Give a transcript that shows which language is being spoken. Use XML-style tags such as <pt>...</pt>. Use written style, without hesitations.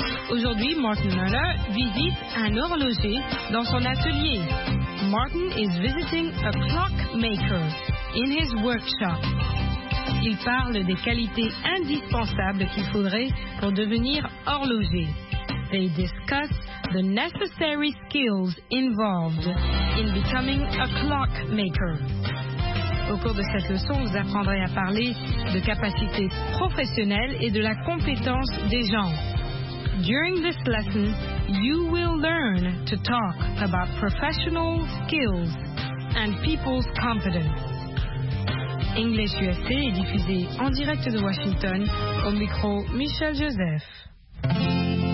<fr>Aujourd'hui, Martin Miller visite un horloger dans son atelier.</fr> <en>Martin is visiting a clockmaker in his workshop.</en> <fr>Il parle des qualités indispensables qu'il faudrait pour devenir horloger.</fr> <en>They discuss the necessary skills involved in becoming a clockmaker.</en> <fr>Au cours de cette leçon, vous apprendrez à parler de capacités professionnelles et de la compétence des gens.</fr> <en>During this lesson, you will learn to talk about professional skills and people's competence.</en> <fr>English USA est diffusé en direct de Washington au micro Michel Joseph.</fr>